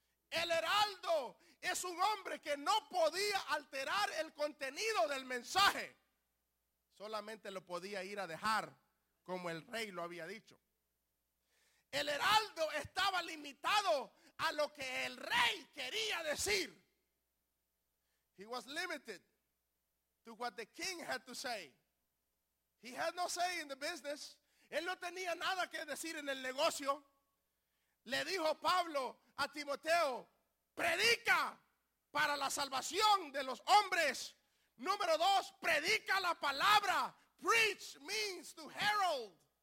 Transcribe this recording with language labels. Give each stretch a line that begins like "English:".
Spanish: El heraldo es un hombre que no podía alterar el contenido del mensaje. Solamente lo podía ir a dejar como el rey lo había dicho. El heraldo estaba limitado a lo que el rey quería decir.
English: He was limited to what the king had to say. He had no say in the business.
Spanish: Él no tenía nada que decir en el negocio. Le dijo Pablo a Timoteo, predica para la salvación de los hombres. Número dos, predica la palabra.
English: Preach means to herald.